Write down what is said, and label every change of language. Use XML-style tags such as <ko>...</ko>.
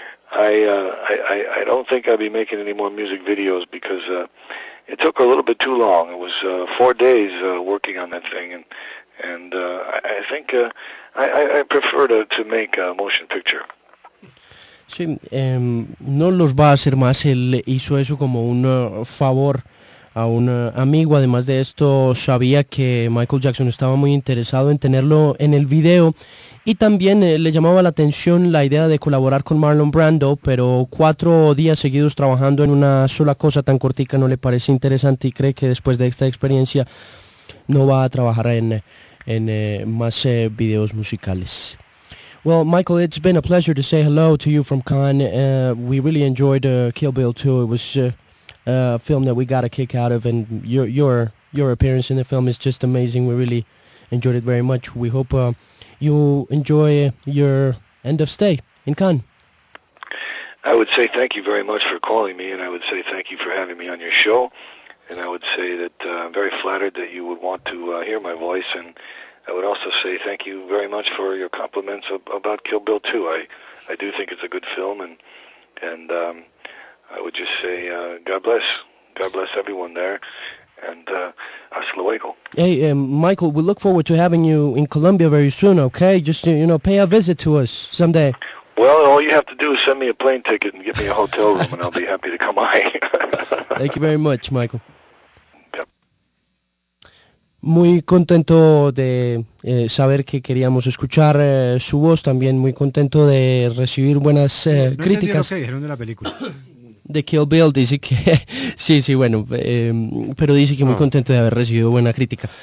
<en>I don't think I'll be making any more music videos because it took a little bit too long. It was 4 days working on that thing, and I think I prefer to make a motion picture.</en> <es>Sí, no los va a hacer más. Él hizo eso como un favor a un amigo. Además de esto, sabía que Michael Jackson estaba muy interesado en tenerlo en el video. Y también le llamaba la atención la idea de colaborar con Marlon Brando, pero 4 días seguidos trabajando en una sola cosa tan cortica no le parece interesante y cree que después de esta experiencia no va a trabajar en más videos musicales.</es> <en>Well, Michael, it's been a pleasure to say hello to you from Cannes. We really enjoyed Kill Bill 2. It was a film that we got a kick out of, and your appearance in the film is just amazing. We really enjoyed it very much. We hope you enjoy your end of stay in Cannes. I would say thank you very much for calling me, and I would say thank you for having me on your show. And I would say that I'm very flattered that you would want to hear my voice, and I would also say thank you very much for your compliments about Kill Bill 2. I do think it's a good film, and I would just say God bless. God bless everyone there. And</en> <es>hasta luego.</es> <en>Hey, Michael, we look forward to having you in Colombia very soon, okay? Just, pay a visit to us someday. Well, all you have to do is send me a plane ticket and get me a hotel room, and I'll be happy to come by. Thank you very much, Michael.</en> <es>Muy contento de saber que queríamos escuchar su voz, también muy contento de recibir buenas no críticas. No entendí lo que dijeron de la película. De Kill Bill, dice que, sí, bueno, pero dice que no. Muy contento de haber recibido buena crítica.</es>